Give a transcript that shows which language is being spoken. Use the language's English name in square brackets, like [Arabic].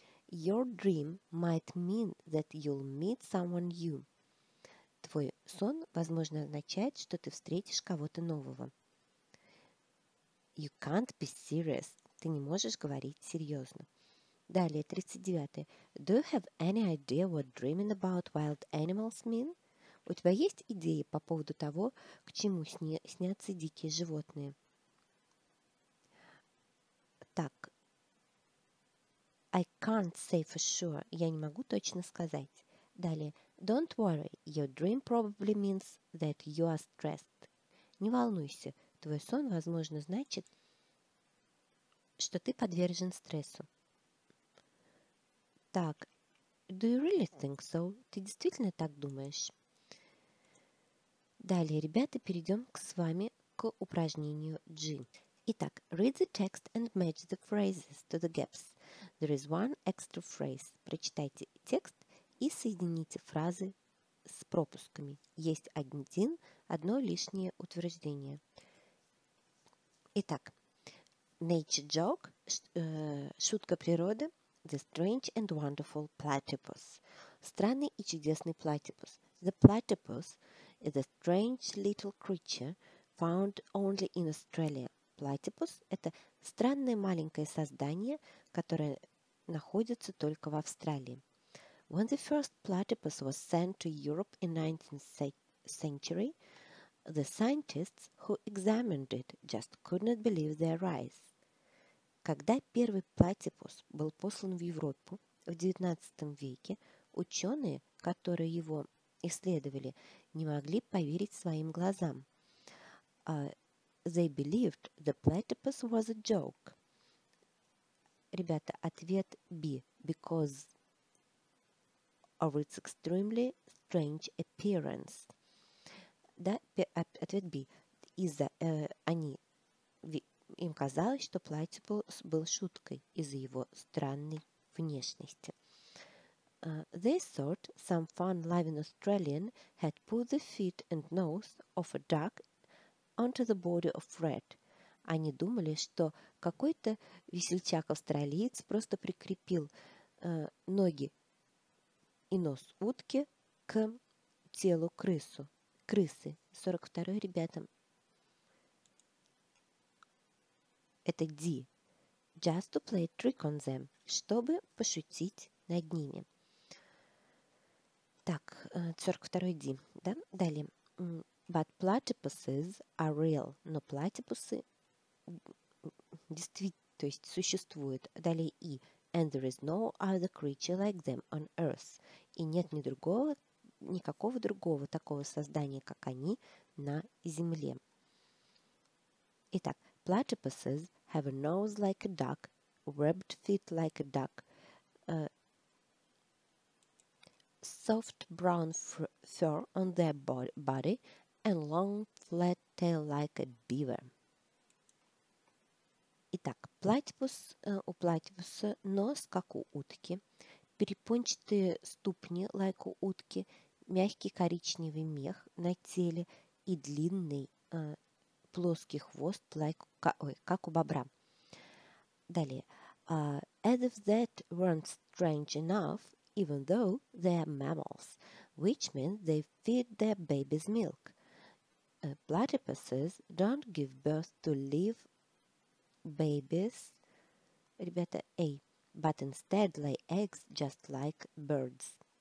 [English] Your dream might mean that you'll meet someone new. [Russian] Твой сон, возможно, означает, что ты встретишь кого-то нового. [English] You can't be serious. [Russian] Ты не можешь говорить серьезно. Далее, 39. [English] Do you have any idea what dreaming about wild animals mean? [Russian] У тебя есть идеи по поводу того, к чему снятся дикие животные? [English] Так. I can't say for sure. [Russian] Я не могу точно сказать. Далее. [English] Don't worry. Your dream probably means that you are stressed. [Russian] Не волнуйся. Твой сон, возможно, значит, что ты подвержен стрессу. [English] Так. Do you really think so? [Russian] Ты действительно так думаешь? Далее, ребята, перейдем с вами к упражнению G. Итак, [English] read the text and match the phrases to the gaps. There is one extra phrase. [Russian] Прочитайте текст и соедините фразы с пропусками. Есть одно лишнее утверждение. [English] Итак, nature joke, [Russian] шутка природы, [English] the strange and wonderful platypus. [Russian] Странный и чудесный платипус. [English] The platypus is a strange little creature found only in Australia. [Russian] Платипус – это странное маленькое создание, которое находится только в Австралии. [English] When the first platypus was sent to Europe in 19th century, the scientists who examined it just could not believe their eyes. [Russian] Когда первый платипус был послан в Европу в 19 веке, ученые, которые его исследовали, не могли поверить своим глазам. [English] They believed the platypus was a joke. [Russian] Ребята, ответ B. [English] Because of its extremely strange appearance. [Russian] Да, ответ B. Им казалось, что платипус был шуткой из-за его странной внешности. [English] They thought some fun-loving Australian had put the feet and nose of a duck onto the body of Fred. [Russian] Они думали, что какой-то весельчак-австралиец просто прикрепил ноги и нос утки к телу крысы. 42-й, ребятам. Это D. [English] Just to play a trick on them. [Russian] Чтобы пошутить над ними. Так, 42-й D. Да? Далее. [English] But platypuses are real. [Russian] Но платипусы действительно, то есть существуют. Далее E. [English] And there is no other creature like them on Earth. [Russian] И нет никакого другого такого создания, как они, на Земле. [English] Итак, platypuses have a nose like a duck, webbed feet like a duck, soft brown fur on their body, and long flat tail like a beaver. [Russian] Итак, платипус, у платипуса нос, как у утки, перепончатые ступни, [English] like [Russian] у утки, мягкий коричневый мех на теле и длинный плоский хвост, как у бобра. Далее. [English] As if that weren't strange enough, even though they're mammals, which means they feed their babies milk. Platypuses don't give birth to live babies, [Russian] ребята, [English] A, but instead lay eggs just like birds.